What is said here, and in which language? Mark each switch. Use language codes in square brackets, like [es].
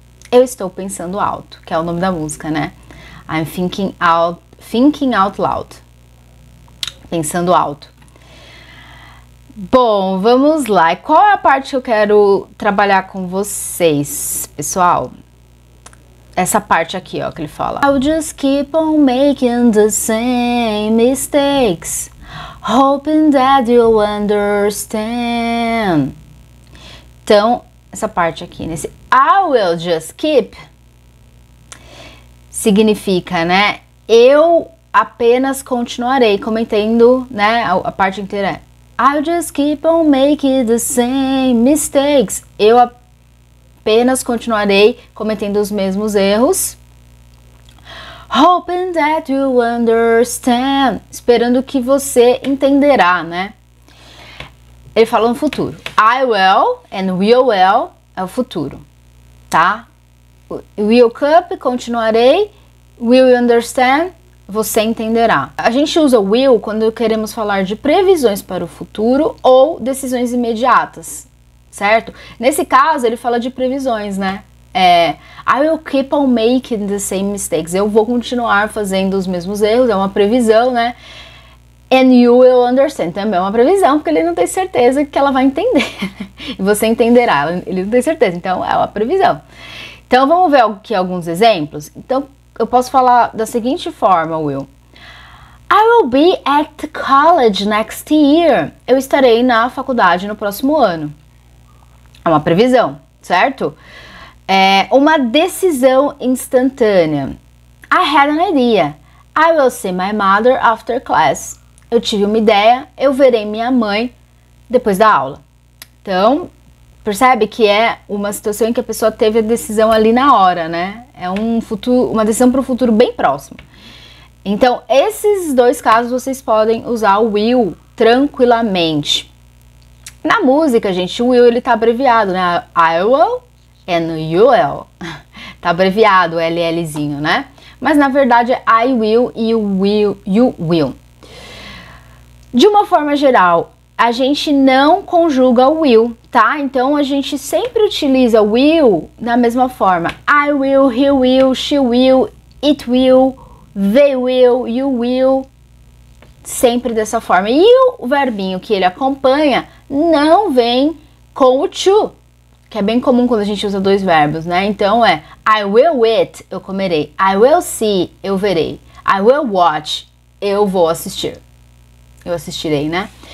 [pt] Eu estou pensando alto, que é o nome da música, né? [en] I'm thinking out loud. [pt] Pensando alto. Bom, vamos lá. E qual é a parte que eu quero trabalhar com vocês, pessoal? Essa parte aqui, ó, que ele fala. [en] I'll just keep on making the same mistakes, hoping that you'll understand. [pt] Então, essa parte aqui, nesse [en] I will just keep, [pt] significa, né? Eu apenas continuarei cometendo, né? A parte inteira. [en] I'll just keep on making the same mistakes. [pt] Eu apenas continuarei cometendo os mesmos erros. [en] Hoping that you understand. [pt] Esperando que você entenderá, né? Ele fala no futuro. [en] I will and we will [pt] é o futuro, tá? [en] Will keep, [pt] continuarei. [en] Will you understand? [pt] Você entenderá. A gente usa will quando queremos falar de previsões para o futuro ou decisões imediatas, certo? Nesse caso, ele fala de previsões, né? [en] I will keep on making the same mistakes. [pt] Eu vou continuar fazendo os mesmos erros, é uma previsão, né? [en] And you will understand. [pt] Também é uma previsão, porque ele não tem certeza que ela vai entender. E você entenderá, ele não tem certeza, então é uma previsão. Então, vamos ver aqui alguns exemplos? Então, eu posso falar da seguinte forma, Will. [en] I will be at college next year. [pt] Eu estarei na faculdade no próximo ano. É uma previsão, certo? É uma decisão instantânea. [en] I had an idea. I will see my mother after class. [pt] Eu tive uma ideia. Eu verei minha mãe depois da aula. Então, percebe que é uma situação em que a pessoa teve a decisão ali na hora, né? É um futuro, uma decisão para o futuro bem próximo. Então, esses dois casos vocês podem usar o will tranquilamente. Na música, gente, o will ele tá abreviado, né? [en] I will and you will. [pt] Tá abreviado o LLzinho, né? Mas na verdade é [en] I will, you will. [pt] De uma forma geral, a gente não conjuga o will, tá? Então a gente sempre utiliza o will da mesma forma. [en] I will, he will, she will, it will, they will, you will. [pt] Sempre dessa forma. E o verbinho que ele acompanha não vem com o to, que é bem comum quando a gente usa dois verbos, né? Então é [en] I will eat, [pt] eu comerei. [en] I will see, [pt] eu verei. [en] I will watch, [pt] eu vou assistir. Eu assistirei, né?